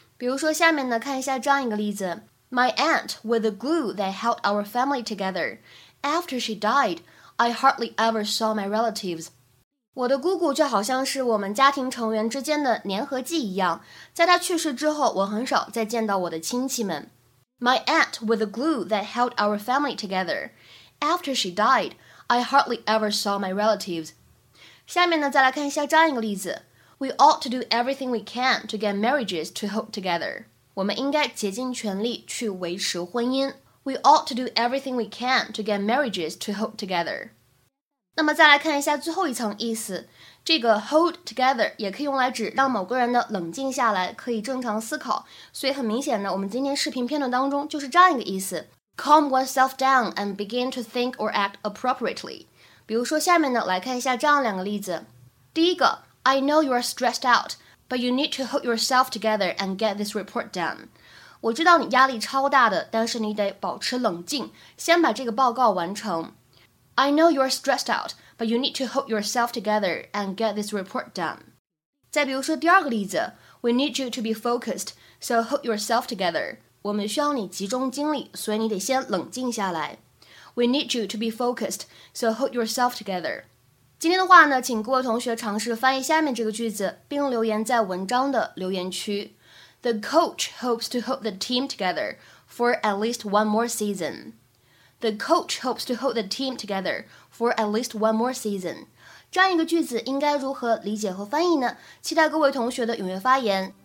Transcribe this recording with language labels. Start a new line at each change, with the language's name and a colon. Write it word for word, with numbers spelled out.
Chinese: 比如说下面呢，看一下这样一个例子
English: My aunt was the glue that held our family together. After she died, I hardly ever saw my relatives.
Chinese: 我的姑姑就好像是我们家庭成员之间的粘合剂一样，在她去世之后，我很少再见到我的亲戚们。
English: My aunt was the glue that held our family together. After she died, I hardly ever saw my relatives.
Chinese: 下面呢，再来看一下这样一个例子。
English: We ought to do everything we can to get marriages to hold together.
Chinese: 我们应该竭尽全力去维持婚姻。
English: We ought to do everything we can to get marriages to hold together.
Chinese: 那么再来看一下最后一层意思。这个 hold together 也可以用来指让某个人呢冷静下来，可以正常思考。所以很明显呢，我们今天视频片段当中就是这样一个意思。
English: Calm oneself down and begin to think or act appropriately.
Chinese: 比如说下面呢，来看一下这样两个例子。第一个
English: I know you are stressed out, but you need to hold yourself together and get this report done.
Chinese: 我知道你压力超大的，但是你得保持冷静，先把这个报告完成。
English: I know you are stressed out, but you need to hold yourself together and get this report done.
Chinese: 再比如说第二个例子
English: ，We need you to be focused, so hold yourself together.
Chinese: 我们需要你集中精力，所以你得先冷静下来。
English: We need you to be focused, so hold yourself together.
Chinese: 今天的话呢，请各位同学尝试翻译下面这个句子，并留言在文章的留言区。
English: The coach hopes to hold the team together for at least one more season. The coach hopes to hold the team together for at least one more season.
Chinese: 这样一个句子应该如何理解和翻译呢？期待各位同学的踊跃发言。